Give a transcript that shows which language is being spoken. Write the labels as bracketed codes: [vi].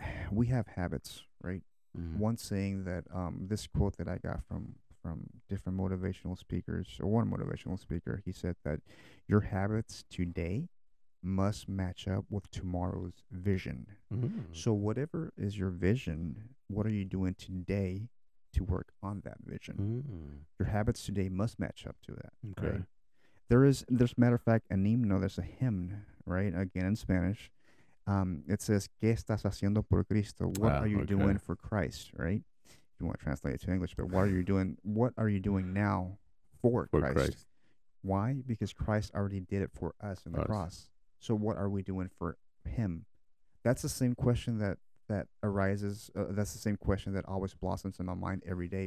[en] we have habits, right? Mm-hmm. One saying that this quote that I got from different motivational speakers, or one motivational speaker, he said that your habits today must match up with tomorrow's vision. Mm-hmm. So whatever is your vision, what are you doing today to work on that vision? Mm-hmm. Your habits today must match up to that. Okay. Right? There's matter of fact, an hymn, there's a hymn, right? Again, in Spanish. It says, [es] ¿Qué estás haciendo por Cristo? [en] What are you doing for Christ, right? If you want to translate it to English, but what are you doing now for Christ? Why? Because Christ already did it for us in the cross. So what are we doing for him? That's the same question that arises. That's the same question that always blossoms in my mind every day.